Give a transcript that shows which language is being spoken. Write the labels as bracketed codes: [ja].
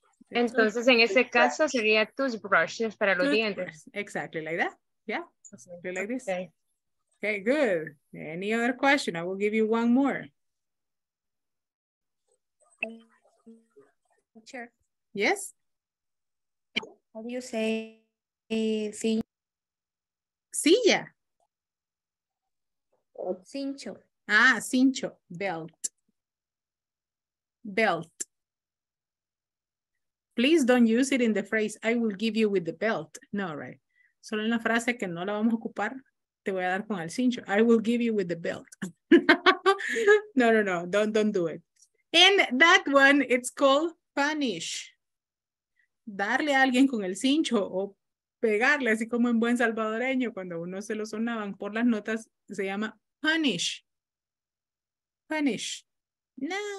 [es] Entonces, en ese caso, sería toothbrushes para los dientes. [en] Exactly like that. Yeah, exactly like this. Okay. Okay, good. Any other question? I will give you one more. Teacher. Yes? How do you say cincho? [es] Silla. Cincho. [en] Ah, cincho. Belt. Belt. Please don't use it in the phrase, I will give you with the belt. No, right. [es] Solo en la frase que no la vamos a ocupar, te voy a dar con el cincho. [en] I will give you with the belt. No, no, no. Don't do it. And that one, it's called punish. [es] Darle a alguien con el cincho o pegarle, así como en buen salvadoreño, cuando uno se lo sonaban por las notas, se llama punish. Punish. No.